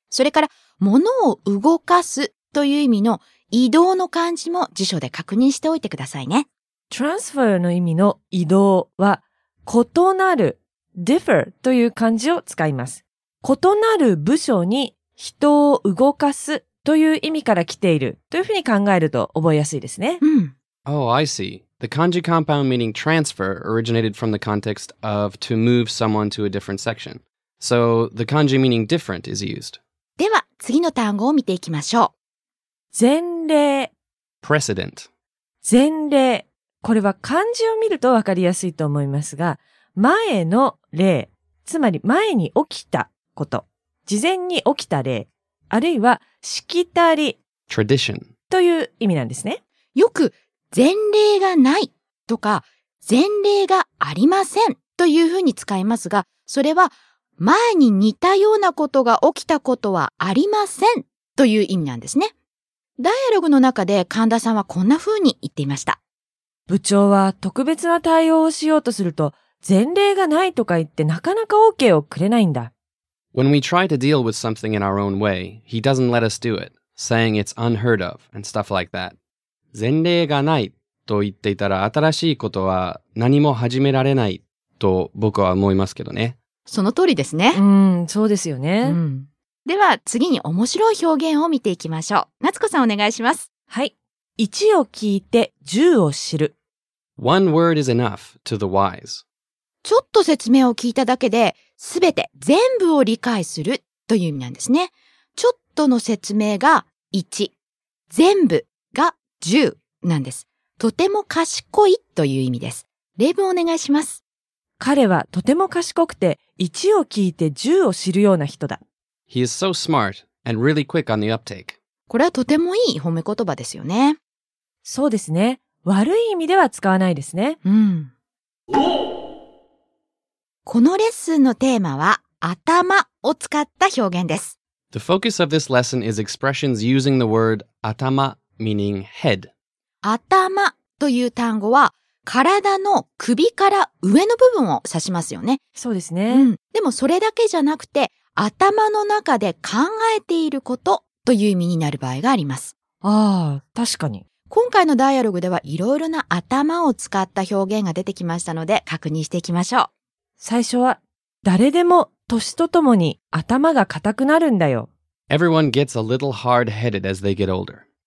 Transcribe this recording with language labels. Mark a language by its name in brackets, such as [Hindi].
[Japanese] それから、物を動かすという意味の移動の漢字も辞書で確認しておいてくださいね。 transfer の意味の移動は、異なる、differ という漢字を使います。異なる部署に人を動かすという意味から来ているというふうに考えると覚えやすいですね。うん。 [English] Oh, I see. The kanji compound meaning transfer originated from the context of to move someone to a different section. So the kanji meaning different is used. [Japanese] では次の単語を見ていきましょう。前例 [English] precedent [Japanese] 前例これは漢字を見ると分かりやすいと思いますが前の例つまり前に起きたこと事前に起きた例あるいはしきたり [English] tradition [Japanese] という意味なんですねよく前例がないとか前例がありませんというふうに使いますがそれは前に似たようなことが起きたことはありませんという意味なんですねダイアログの中で神田さんはこんな風に言っていました。部長は特別な対応をしようとすると、前例がないとか言ってなかなか OK をくれないんだ。 [English] When we try to deal with something in our own way, he doesn't let us do it, saying it's unheard of and stuff like that. [Japanese] 前例がないと言っていたら新しいことは何も始められないと僕は思いますけどね。その通りですね。うん、そうですよね。うんでは次に面白い表現を見ていきましょう。夏子さんお願いします。はい。1を聞いて10を知る。 [English] One word is enough to the wise. [Japanese] ちょっと説明を聞いただけで、すべて、全部を理解するという意味なんですね。ちょっとの説明が1、全部が10なんです。とても賢いという意味です。例文お願いします。彼はとても賢くて、1を聞いて10を知るような人だ。 [English] He is so smart and really quick on the uptake. [Japanese] これはとてもいい褒め言葉ですよね。そうですね。悪い意味では使わないですね。うん。このレッスンのテーマは、頭を使った表現です。 [English] The focus of this lesson is expressions using the word 頭 meaning head. [Japanese] 頭という単語は、体の首から上の部分を指しますよね。そうですね。うん。でもそれだけじゃなくて、頭の中で考えていることという意味になる場合があります。ああ、確かに。今回のダイアログではいろいろな頭を使った表現が出てきましたので確認していきましょう。最初は、誰でも年とともに頭が硬くなるんだよ。 [English] Everyone gets a little hard-headed as they get older.